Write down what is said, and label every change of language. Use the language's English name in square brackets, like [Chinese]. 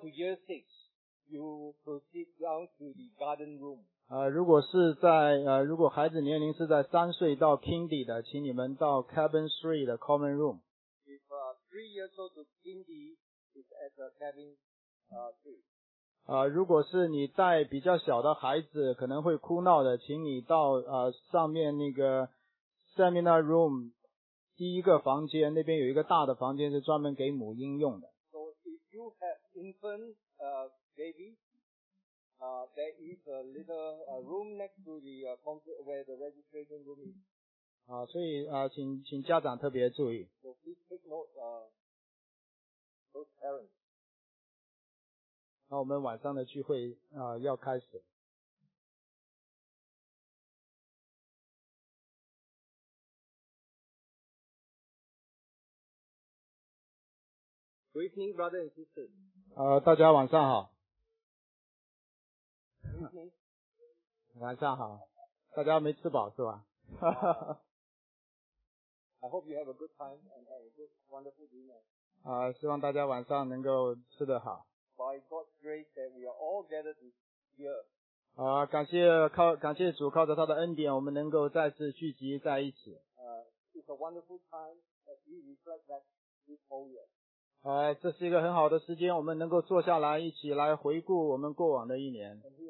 [English] to Year Six, you proceed down to the Garden Room. [Chinese] 如果是在如果孩子年龄是在三岁到 Kindy 的，请你们到 Cabin 3的 Common Room。 [English] If three years old to Kindy is at the Cabin 3。 [Chinese] 如果是你带比较小的孩子可能会哭闹的，请你到上面那个 Seminar Room 第一个房间，那边有一个大的房间是专门给母婴用的。 [English] So if you have infant babyThere is a little room next to the concert where the registration room is. [Chinese] 所以请家长特别注意。 [English] So please take note, those parents. [Chinese] 那我们晚上的聚会要开始。 [English] Greeting, brother and sister. [Chinese] 大家晚上好。晚上好，大家没吃饱是吧？ [English] I hope you have a good time and have a good, wonderful dinner. [Chinese] 希望大家晚上能够吃得好。 [English] By God's grace that we are all gathered here. [Chinese] 感谢主，靠着他的恩典，我们能够再次聚集在一起。 [English] It's a wonderful time that we reflect back this whole year. [Chinese] 这是一个很好的时间，我们能够坐下来一起来回顾我们过往的一年。